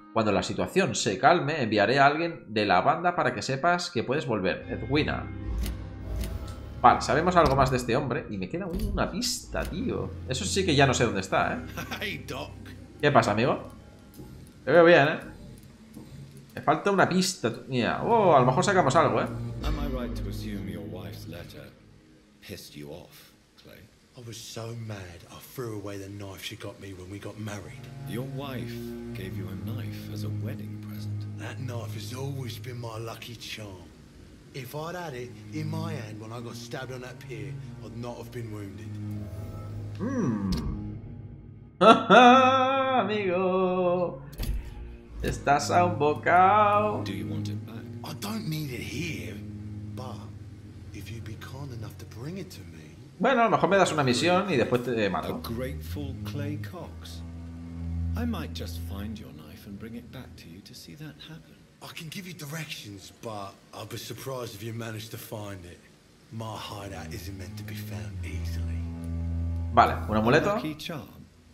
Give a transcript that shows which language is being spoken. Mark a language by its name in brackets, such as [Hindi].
[Spanish] Cuando la situación se calme, enviaré a alguien de la banda para que sepas que puedes volver. Edwina. Vale, sabemos algo más de este hombre. Y me queda una pista, tío. Eso sí que ya no sé dónde está, ¿eh? [English] Hey, Doc. [Spanish] ¿Qué pasa, amigo? Te veo bien, ¿eh? Me falta una pista. Mira, oh, a lo mejor sacamos algo, ¿eh? [English] ¿Am I right to assume your wife's letter pissed you off, Clay? I was so mad I threw away the knife she got me when we got married. Your wife gave you a knife as a wedding present. That knife has always been my lucky charm. If I'd had it in my hand when I got stabbed on that pier, I'd not have been wounded. [Spanish] Amigo, estás a un bocado. [English] Do you want it back? I don't need it here, but if you'd be kind enough to bring it to me. [Spanish] Bueno, a lo mejor me das una misión y después te mato. [English] A grateful Clay Cox. I might just find your knife and bring it back to you to see that happen. I can give you directions, but I'll be surprised if you manage to find it. My hideout isn't meant to be found easily. [Spanish] Vale, un amuleto. [English] Lucky charm.